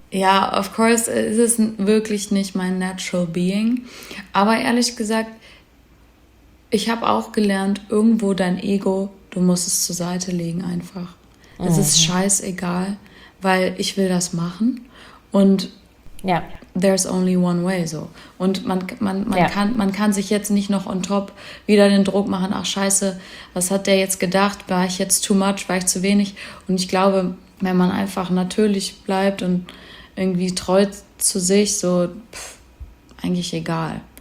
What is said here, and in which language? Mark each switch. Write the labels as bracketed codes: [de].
[de] Ja, [en] of course, [de] ist es wirklich nicht mein [en] natural being. [de] Aber ehrlich gesagt, ich habe auch gelernt, irgendwo dein Ego, du musst es zur Seite legen einfach. Es ist scheißegal, weil ich will das machen. Und [en] there's only one way, so. [de] Und man kann sich jetzt nicht noch [en] on top [de] wieder den Druck machen, ach scheiße, was hat der jetzt gedacht, war ich jetzt [en] too much, [de] war ich zu wenig? Und ich glaube, wenn man einfach natürlich bleibt und irgendwie treu zu sich, so, eigentlich egal.